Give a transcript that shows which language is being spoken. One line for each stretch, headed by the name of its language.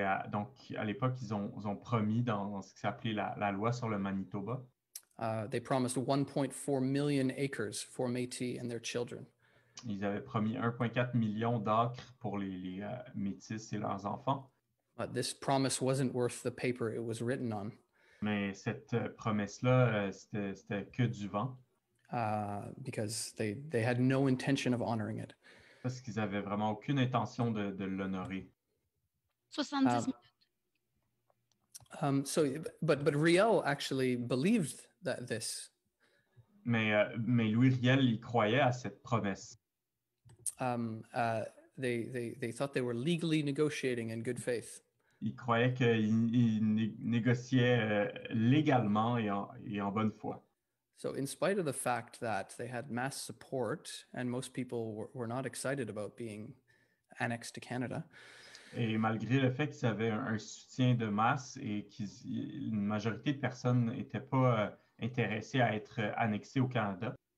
French: Donc à l'époque, ils ont promis dans ce qui s'appelait la loi sur le Manitoba.
English: They promised 1.4 million acres for Métis and their children.
French: Ils avaient promis 1,4 million d'acres pour les Métis et leurs enfants.
English: But this promise wasn't worth the paper it was written on.
French: Mais cette promesse-là, c'était que du vent.
English: Because they had no intention of honoring it.
French: Parce qu'ils n'avaient vraiment aucune intention de l'honorer.
English: 70 minutes. But Riel actually believed that this.
French: Mais Louis Riel, il croyait à cette promesse.
English: They thought they were legally negotiating in good faith.
French: Ils croyaient qu'ils négociaient légalement et en bonne foi.
English: So in spite of the fact that they had mass support and most people were not excited about being annexed to Canada.
French: Et malgré le fait qu'ils avaient un soutien de masse et qu'une majorité de personnes n'étaient pas intéressées à être annexées au Canada.